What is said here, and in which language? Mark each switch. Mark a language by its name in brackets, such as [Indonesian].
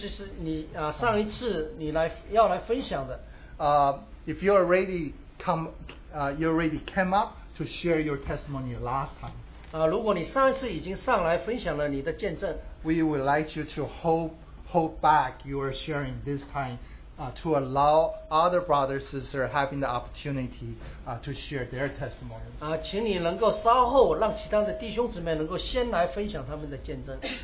[Chinese] 你的分享呢是上一次你要来分享的。 [English] If you already came up to share your testimony last time. [Chinese] 如果你上一次已经上来分享了你的见证。 [English] We would like you to hold back your sharing this time to allow other brothers and sisters having the opportunity to share their testimonies. [Chinese] 请你能够稍后让其他的弟兄姊妹能够先来分享他们的见证。